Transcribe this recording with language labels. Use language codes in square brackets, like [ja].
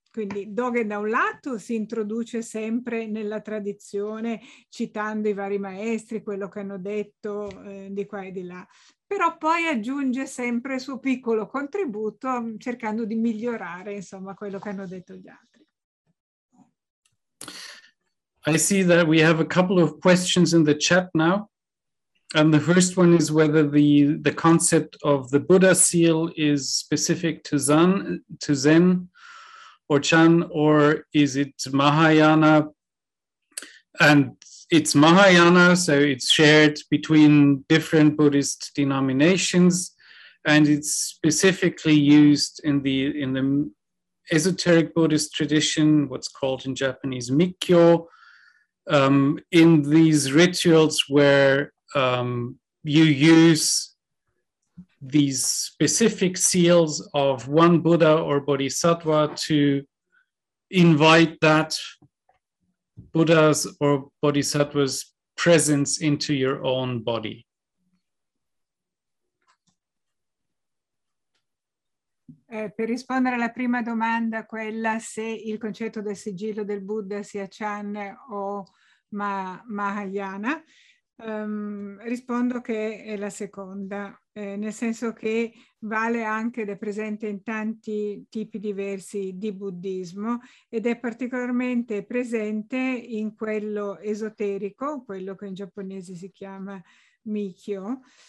[it] Quindi Dogen da un lato si introduce sempre nella tradizione citando i vari maestri, quello che hanno detto di qua e di là, però poi aggiunge sempre il suo piccolo contributo cercando di migliorare, insomma, quello che hanno detto gli altri. [en] I see that we have a couple of questions in the chat now. And the first one is whether the concept of the Buddha seal is specific to Zen or Chan, or is it Mahayana? And it's Mahayana, so it's shared between different Buddhist denominations, and it's specifically used in the esoteric Buddhist tradition, what's called in Japanese Mikkyo, in these rituals where you use these specific seals of one Buddha or Bodhisattva to invite that Buddha's or Bodhisattva's presence into your own body. [it] Per rispondere alla prima domanda, quella se il concetto del sigillo del Buddha sia Chan o Mahayana, rispondo che è la seconda, nel senso che vale anche ed è presente in tanti tipi diversi di buddismo ed è particolarmente presente in quello esoterico, quello che in giapponese si chiama Mikkyo,